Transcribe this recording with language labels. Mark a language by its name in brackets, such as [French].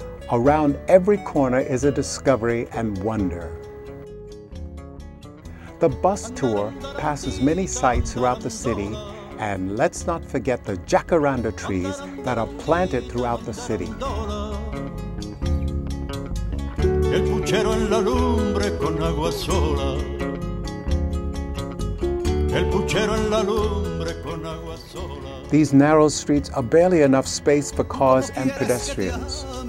[English] Around every corner is a discovery and wonder. The bus tour passes many sites throughout the city, and let's not forget the jacaranda trees that are planted throughout the city. [Spanish] El puchero en la lumbre con agua sola. El puchero en la lumbre con agua sola. [English] These narrow streets are barely enough space for cars and pedestrians.